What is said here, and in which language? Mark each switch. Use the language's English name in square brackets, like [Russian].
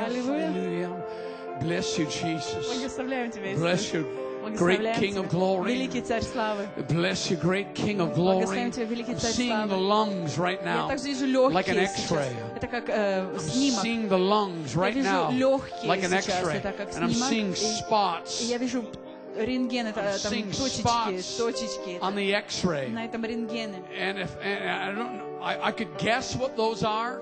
[English] Hallelujah. Bless you, Jesus. Bless you, great King of glory. Bless you, great King of glory. I'm seeing the lungs right now, like an X-ray. I'm seeing the lungs right now, like an X-ray. And I'm seeing spots. [Russian] Рентген, это там точечки [English] on the X-ray. [Russian] На этом рентгене. [English] And if I don't know, I could guess what those are.